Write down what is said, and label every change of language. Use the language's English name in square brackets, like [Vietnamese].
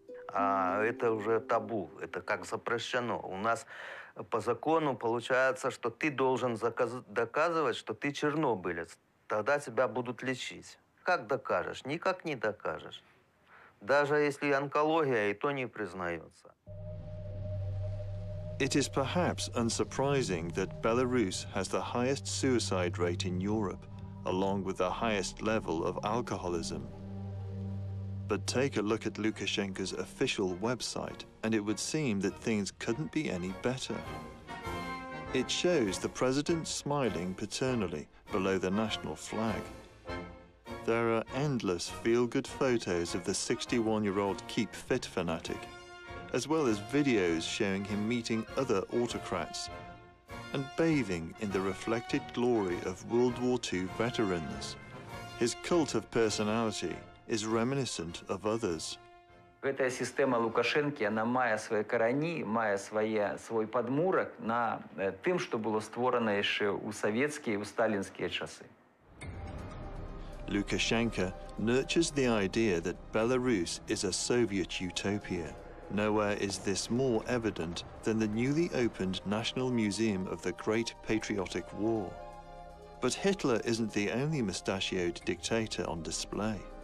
[Russian] Это уже табу, это как запрещено. У нас по закону получается, что ты должен доказывать, что ты чернобылец. Тогда тебя будут лечить. Как докажешь? Никак не докажешь. Даже если онкология, и то не признается. [English] It is perhaps unsurprising that Belarus has the highest suicide rate in Europe, along with the highest level of alcoholism. But take a look at Lukashenko's official website, and it would seem that things couldn't be any better. It shows the president smiling paternally below the national flag. There are endless feel-good photos of the 61-year-old Keep Fit fanatic, as well as videos showing him meeting other autocrats and bathing in the reflected glory of World War II veterans. His cult of personality is reminiscent of others. [Russian] Эта система [Ukrainian] Лукашенко, она має свої корені, має своє свій підмурок на тим, що було створено ще у совєтські, у сталінські часи. [English] Lukashenko nurtures the idea that Belarus is a Soviet utopia. Nowhere is this more evident than the newly opened National Museum of the Great Patriotic War. But Hitler isn't the only mustachioed dictator on display.